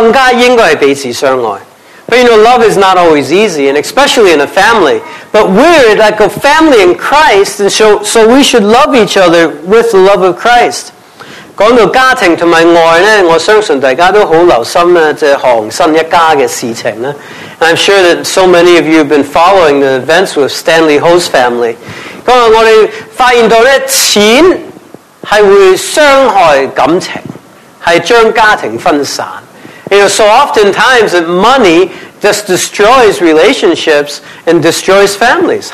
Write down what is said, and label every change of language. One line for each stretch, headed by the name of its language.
English: But you know, love is not always easy, and especially in a family. But we're like a family in Christ, and so we should love each other with the love of Christ.
Chinese: 讲到家庭和爱呢,我相信大家都很留心呢,就是韩新一家的事情呢。
English: And I'm sure that so many of you have been following the events with Stanley Ho's family.
Chinese: 讲到我们发现到呢,钱是会伤害感情,是将家庭分散。
English: You know, so oftentimes that money just destroys relationships and destroys families.